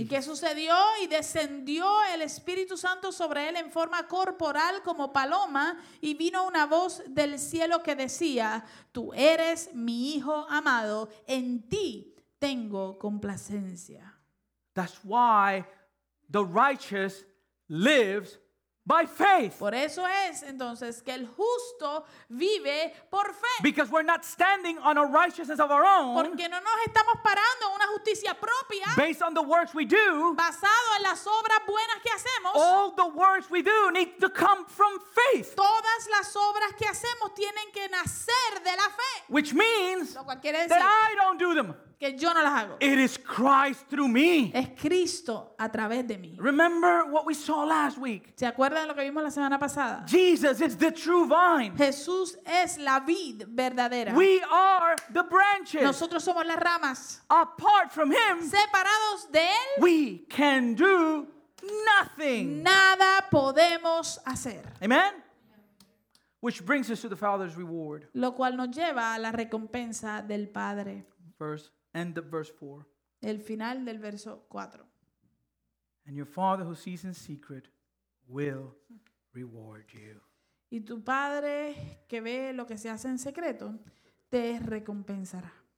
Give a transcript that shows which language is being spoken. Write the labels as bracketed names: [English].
[Spanish] ¿Y qué sucedió? Y descendió el Espíritu Santo sobre él en forma corporal como paloma, y vino una voz del cielo que decía, "Tú eres mi hijo amado, en ti tengo complacencia." [English] That's why the righteous lives By faith. [Spanish] Por eso es entonces que el justo vive por fe. [English] Because we're not standing on a righteousness of our own. [Spanish] Porque no nos estamos parando en una justicia propia. [English] Based on the works we do. [Spanish] Basado en las obras buenas que hacemos. [English] All the works we do need to come from faith. [Spanish] Todas las obras que hacemos tienen que nacer de la fe. [English] Which means [Spanish] lo cual quiere decir [English] that I don't do them. [Spanish] Que yo no las hago. [English] It is Christ through me. [Spanish] Es Cristo a través de mí. [English] Remember what we saw last week. [Spanish] ¿Se acuerdan lo que vimos la semana pasada? [English] Jesus is the true vine. [Spanish] Jesús es la vid verdadera. [English] We are the branches. [Spanish] Nosotros somos las ramas. [English] Apart from him, [Spanish] separados de él, [English] we can do nothing. [Spanish] Nada podemos hacer. [English] Amen. Which brings us to the Father's reward. [Spanish] Lo cual nos lleva a la recompensa del Padre. [English] Verse, end of verse 4. [Spanish] El final del verso 4. [English] And your Father who sees in secret will reward you. [Spanish] Y tu Padre que ve lo que se hace en secreto te recompensará.